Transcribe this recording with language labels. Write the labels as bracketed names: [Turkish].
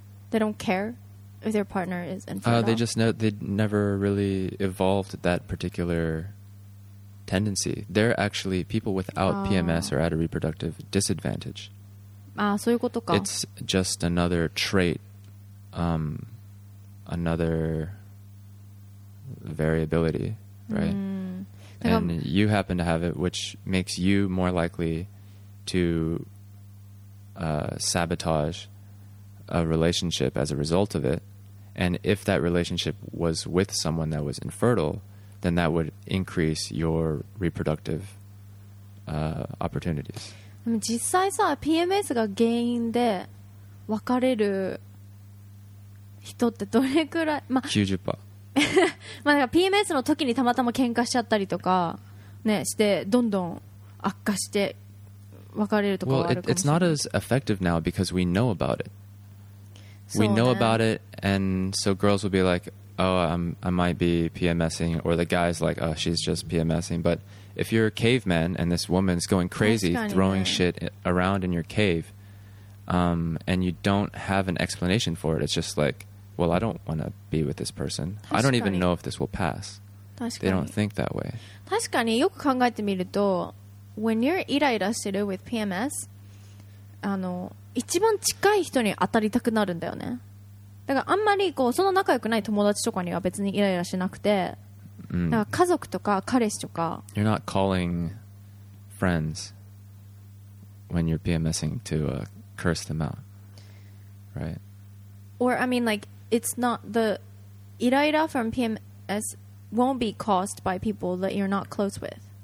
[English] They don't care if their partner is infertile. They just know they never really evolved that particular tendency. They're actually people without PMS are at a reproductive disadvantage. [Japanese] ああそういうことか。 [English] It's just another trait, another variability, right? And you happen to have it, which makes you more likely. To sabotage a relationship as a result of it, and if that relationship was with someone that was infertile, then that would increase your reproductive opportunities. [Japanese] でも実際さ、PMS が原因で別れる人ってどれくらい、ま、90%。まあなんか PMS の時にたまたま喧嘩しちゃったりとかね、してどんどん悪化して。 [English] Well, it's not as effective now because we know about it. We know about it, and so girls will be like, oh, I might be PMSing, or the guy's like, oh, she's just PMSing. But if you're a caveman and this woman's going crazy, throwing shit around in your cave, and you don't have an explanation for it, it's just like, well, I don't want to be with this person. I don't even know if this will pass. They don't think that way. [Japanese] 確かによく考えてみると、 [English] When you're [Japanese] イライラしてる [English] with PMS, [Japanese] あの一番近い人に当たりたくなるんだよね。だからあんまりこうその仲良くない友達とかには別にイライラしなくて、だから家族とか彼氏とか。 [English] You're not calling friends when you're PMSing to curse them out, right? Or I mean, like it's not the イライラ from PMS won't be caused by people that you're not close with.